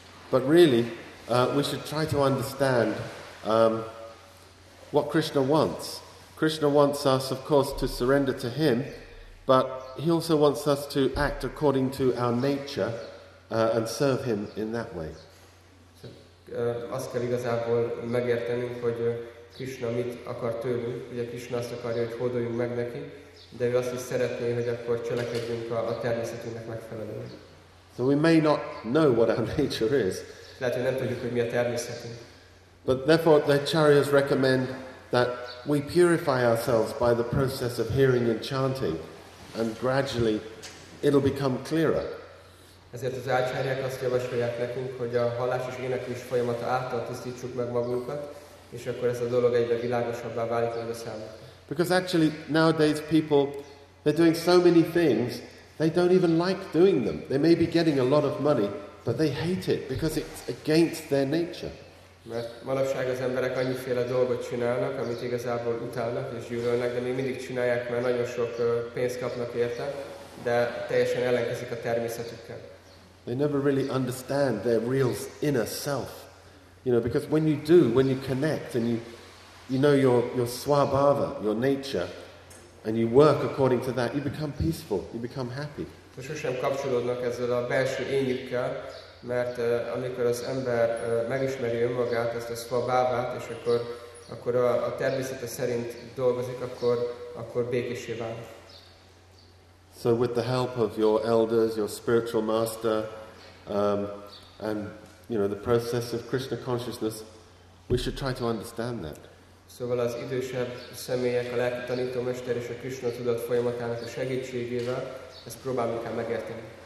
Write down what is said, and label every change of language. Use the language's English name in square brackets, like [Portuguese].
[English] But really, we should try to understand what Krishna wants. Krishna wants us, of course, to surrender to Him, but He also wants us to act according to our nature and serve Him in that way. [Hungarian] Azt kell igazából megértenünk, hogy Krishna mit akar tőlünk, ugye Krishna azt akarja, hogy hódoljunk meg neki, de ő azt is szeretné, hogy akkor cselekedjünk a természetünknek megfelelően. [English] So we may not know what our nature is. [Hungarian] Lehet, hogy nem tudjuk, hogy mi a természetünk. [English] But therefore the acharyas recommend that we purify ourselves by the process of hearing and chanting, and gradually it'll become clearer. [Hungarian] Ezért az ácsárják azt javasolják nekünk, hogy a hallás és éneklés folyamata által tisztítsuk meg magunkat, és akkor ez a dolog egyre világosabbá válik meg a számunkra. [English] Because actually nowadays people, they're doing so many things, they don't even like doing them. They may be getting a lot of money, but they hate it because it's against their nature. [Hungarian] Mert manapság az emberek annyiféle dolgot csinálnak, amit igazából utálnak és gyűlölnek, de még mindig csinálják, mert nagyon sok pénzt kapnak érte, de teljesen ellenkezik a természetükkel. [English] They never really understand their real inner self. You know, because when you do, when you connect and you know your swabhava, your nature, and you work according to that, you become peaceful, you become happy. [Hungarian] De sosem kapcsolódnak ezzel a belső énjükkel, mert amikor az ember megismeri önmagát, ezt a swabhavát, és akkor a természete szerint dolgozik, akkor békéssé válik. [English] So with the help of your elders, your spiritual master, and you know the process of Krishna consciousness, we should try to understand that. [Hungarian] Szóval az idősebb személyek, a lelki tanítómester és a Krishna tudat folyamatának a segítségével ezt próbálni kell megérteni.